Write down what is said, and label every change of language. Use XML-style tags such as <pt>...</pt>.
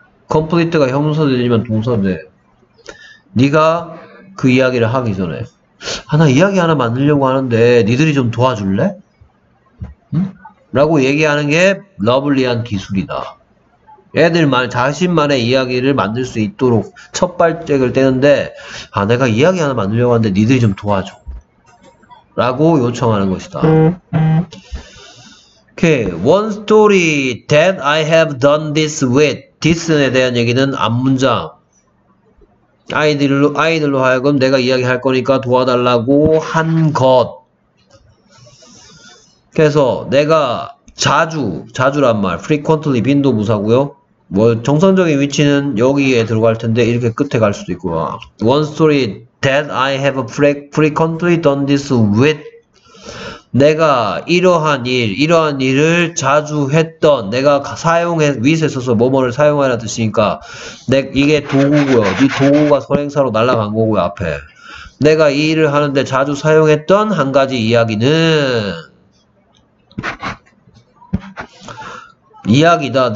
<ko>complete가 형용사되지만 동사인데 네가 그 이야기를 하기 전에 하나 이야기 하나 만들려고 하는데 니들이 좀 도와줄래? 응? 라고 얘기하는 게 러블리한 기술이다. 애들만 자신만의 이야기를 만들 수 있도록 첫 발짝을 떼는데 아 내가 이야기 하나 만들려고 하는데 니들이 좀 도와줘 라고 요청하는 것이다. Okay.</ko> <en>One story that I have done this with.</en> <ko>This에 대한 얘기는 앞문장. 아이들로 하여금 내가 이야기할 거니까 도와달라고 한 것. 그래서 내가 자주란 말. frequently 빈도부사고요. 뭐 정상적인 위치는 여기에 들어갈 텐데 이렇게 끝에 갈 수도 있고.</ko> <en>One story that I have frequently done this with.</en> <ko>내가 이러한 일을 자주 했던 내가 사용해 위에 써서 뭐뭐를 사용하라 뜻이니까 내 이게 도구고요. 이 도구가 선행사로 날아간 거고요. 앞에 내가 이 일을 하는데 자주 사용했던 한 가지 이야기는 이야기다.</ko>